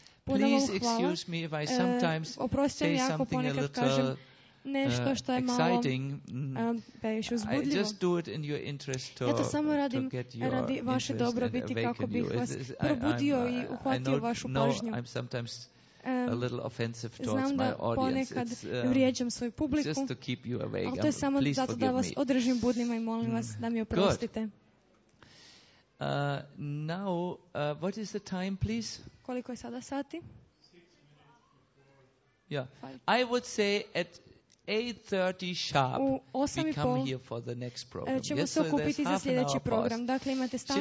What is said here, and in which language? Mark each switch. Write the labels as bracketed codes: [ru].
[en] Please excuse me if I sometimes say something a little [hr] nešto što je [en] exciting. [hr] Malo uzbudljivo. [en] I just do it in your interest to, [hr] ja to samo radim radi vaše dobrobiti kako bih vas probudio i uhvatio vašu pažnju. [en] I'm sometimes a little offensive towards [hr] znam da [en] my audience. [hr] Ponekad vrijeđam svoju publiku. [en] Just to keep you awake. [hr] To je samo zato da vas održim budnima i molim vas da mi oprostite. [en] Now, what is the time, please? [hr] Koliko je sada sati? [en] 6 minutes. Yeah. Five. I would say at 8:30 sharp, [hr] u [en] 8:30 we come here for the next program. [hr] Ćemo se okupiti za sljedeći program. Dakle, imate stanku